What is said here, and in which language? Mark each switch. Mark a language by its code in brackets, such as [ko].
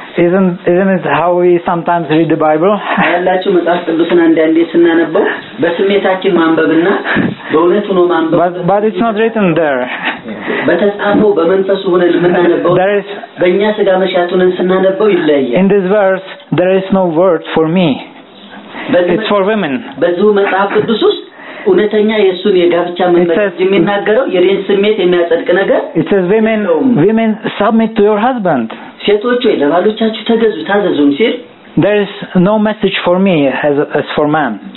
[en] isn't it how we sometimes read the bible [am] አላችሁ መጽሐፍ ቅዱስን አንዳንዴ ስናነበው በስሜታችን ማንበብና በእውነት ሆኖ ማንበብ [en] but it's not written there [am] በተጻፈው በመንፈሱ ሆነ ልምናነበው በእኛ ስጋ መሻቱን ስናነበው ይለያል [en] in this verse there is no word for me It's for women. [am] በዙ መጽሐፍ ቅዱስ ውስጥ ኡነተኛ የሱን የጋብቻ መንፈስ የሚናገረው የሬን ስሜት የሚያጸድቅ ነገር [en] It says women submit to your husband. [am] ሴቶች ለባሎቻችሁ ተገዙ ታዘዙም ሲል [en] There is no message for me as for man.